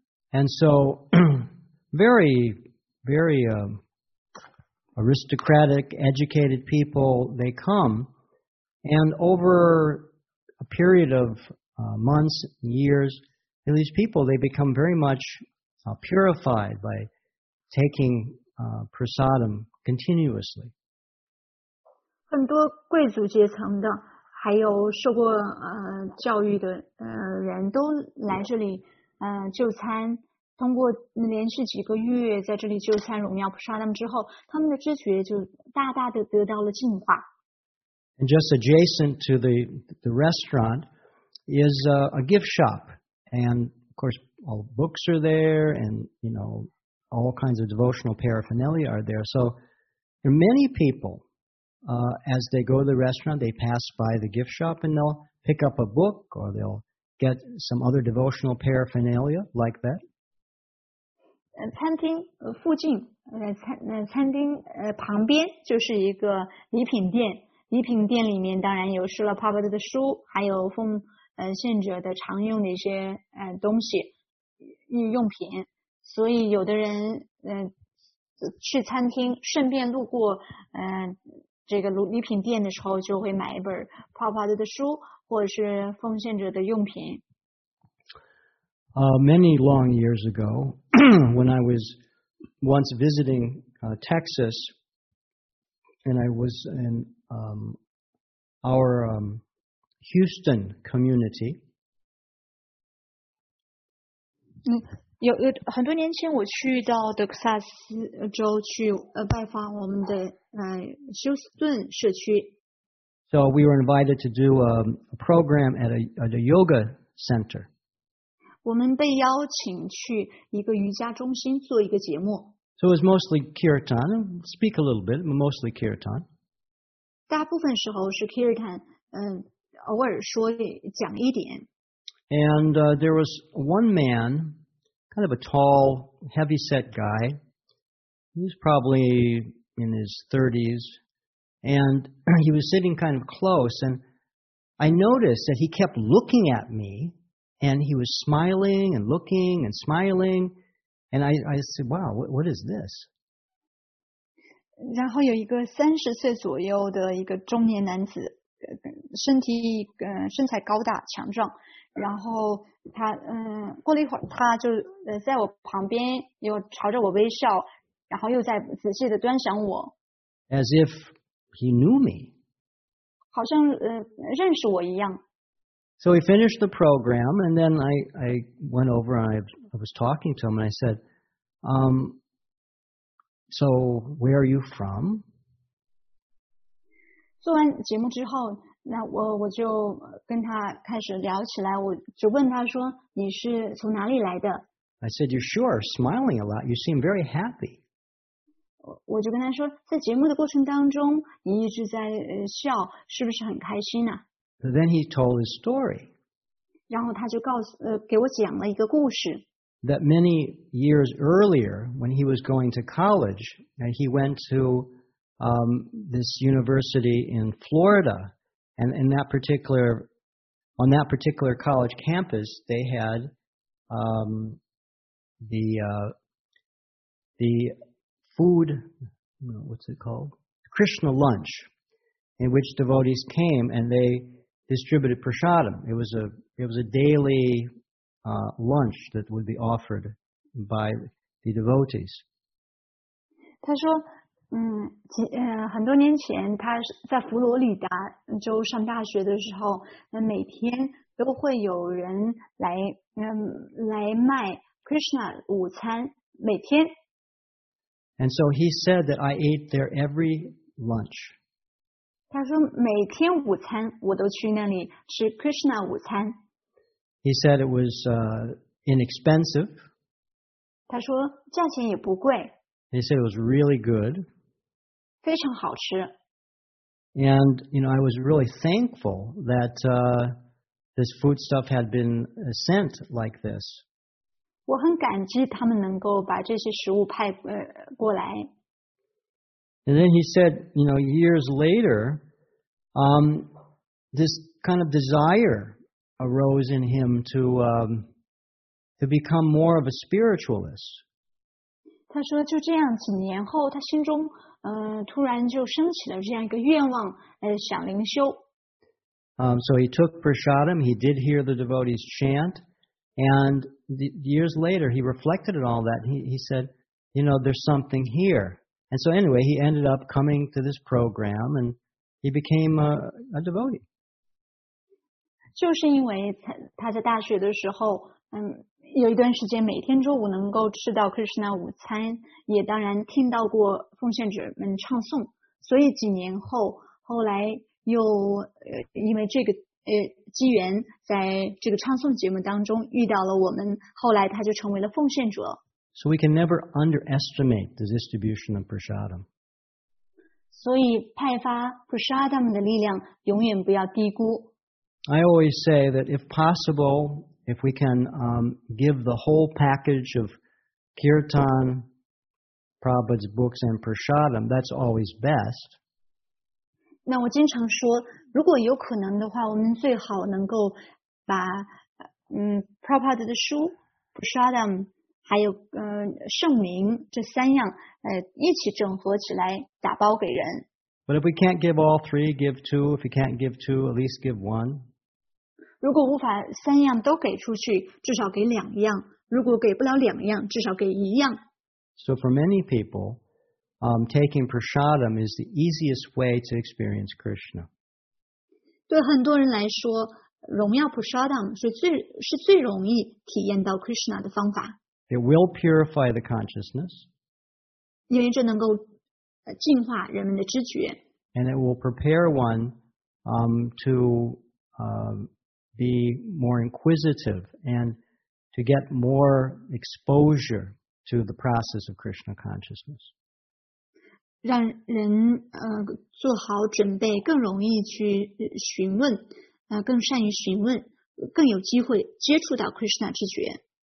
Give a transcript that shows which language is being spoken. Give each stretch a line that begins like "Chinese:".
English: And so, very, very aristocratic, educated people, they come, and over a period of months, years, these people, they become very much purified by taking prasadam continuously.
Chinese: 很多贵族阶层的，还有受过教育的人都来这里就餐。通过连续几个月在这里就餐荣耀普沙他们之后，他们的知觉就大大的得到了进化。
English: And just adjacent to the restaurant is a gift shop, and of course all books are there, and you know all kinds of devotional paraphernalia are there. So there are many people as they go to the restaurant, they pass by the gift shop and they'll pick up a book or they'll get some other devotional paraphernalia like that.
Chinese: 餐厅附近餐厅旁边就是一个礼品店，礼品店里面当然有施乐帕巴德的书，还有奉献者的常用的一些东西用品，所以有的人去餐厅顺便路过这个礼品店的时候，就会买一本帕巴德的书或者是奉献者的用品。
English: Many long years ago, when I was once visiting Texas, and I was in our Houston community.
Chinese: 有很多年前我去到德克萨斯州去拜访我们的休斯顿社区。
English: So we were invited to do a program at a yoga center.
Chinese: 我们被邀请去一个瑜伽中心做一个节目。
English: So it's mostly kirtan, speak a little bit, mostly kirtan.
Chinese: 大部分时候是 kirtan, 偶尔说讲一点。
English: And there was one man, kind of a tall, heavy-set guy. He was probably in his 30s. And he was sitting kind of close, and I noticed that he kept looking at me. And he was smiling and looking and smiling. And I said, wow, what is this?
Chinese: 然后有一个30岁左右的一个中年男子，身材高大强壮。然后他过了一会儿，他就在我旁边又朝着我微笑，然后又在仔细的端详我。
English: As if he knew me.
Chinese: 好像认识我一样。
English: So we finished the program, and then I went over and I was talking to him, and I said, so where are you from?
Chinese: 做完节目之后，那我就跟他开始聊起来，我就问他说，你是从哪里来的？
English: I said, you sure smiling a lot. You seem very happy.
Chinese: 我就跟他说，在节目的过程当中，你一直在笑，是不是很开心啊？
English: Then he told his story.
Chinese: 然后他就给我讲了一个故事。
English: That many years earlier, when he was going to college, and he went to this university in Florida, and on that particular college campus, they had the food, what's it called? Krishna lunch, in which devotees came and they. Distributed prasadam. It was a daily lunch that would be offered by the devotees.
Chinese: 他说，很多年前他在佛罗里达州上大学的时候，每天都会有人来卖 Krishna 午餐，每天。
English: And so he said that I ate there every lunch.
Chinese: 他说每天午餐我都去那里吃 Krishna 午餐。
English: He said it was inexpensive.
Chinese: 他说价钱也不贵。
English: He said it was really good.
Chinese: 非常好吃。
English: And, you know, I was really thankful that this foodstuff had been sent like this.
Chinese: 我很感激他们能够把这些食物派过来。
English: And then he said, you know, years later, this kind of desire arose in him to become more of a spiritualist.
Chinese: 他说就这样几年后他心中突然就升起了这样一个愿望想灵修。
English: So he took prasadam, he did hear the devotees chant, and years later he reflected on all that. He said, you know, there's something here. And so anyway, he ended up coming to this program and he became a devotee.
Chinese: 就是因为他在大学的时候有一段时间每天中午能够吃到 Krishna 午餐，也当然听到过奉献者们唱诵，所以几年后后来又因为这个机缘，在这个唱诵节目当中遇到了我们，后来他就成为了奉献者。
English: So we can never underestimate the distribution of prasadam.
Chinese: 所以派发 prasadam 的力量永远不要低估。
English: I always say that if possible, if we can give the whole package of kirtan, Prabhupada's books and prasadam, that's always best.
Chinese: 那我经常说，如果有可能的话，我们最好能够把Prabhupada 的书、prasadam。还有圣名这三样一起整合起来打包给人。
English: But if we can't give all three, give two. If you can't give two, at least give one.
Chinese: 如果无法三样都给出去，至少给两样。如果给不了两样，至少给一样。
English: So for many people, taking prasadam is the easiest way to experience Krishna.
Chinese: 对很多人来说，荣耀 prasadam 是最容易体验到 Krishna 的方法。
English: It will purify the consciousness.
Chinese: 因为这能够净化人们的知觉。
English: And it will prepare one to be more inquisitive and to get more exposure to the process of Krishna consciousness.
Chinese: 让人做好准备，更容易去询问，更善于询问，更有机会接触到 Krishna 知觉。